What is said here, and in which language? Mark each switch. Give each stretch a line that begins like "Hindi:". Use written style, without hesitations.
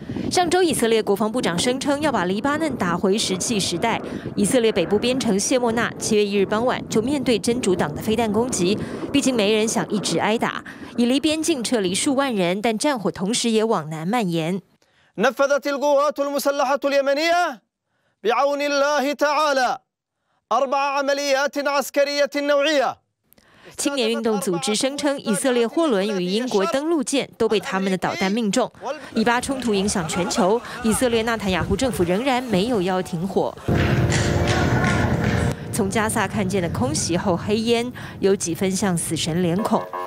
Chinese: 上周，以色列国防部长声称要把黎巴嫩打回石器时代。以色列北部边城谢莫纳7月1日傍晚就面对真主党的飞弹攻击，毕竟没人想一直挨打。以黎边境撤离数万人，但战火同时也往南蔓延。
Arabic: نفذت القوات المسلحة اليمنية بعون الله تعالى 4 عمليات عسكرية نوعية.
Chinese: 青年运动组织声称，以色列货轮与英国登陆舰都被他们的导弹命中。以巴冲突影响全球，以色列纳坦雅胡政府仍然没有要停火。从加萨看见的空袭后黑烟，有几分像死神脸孔。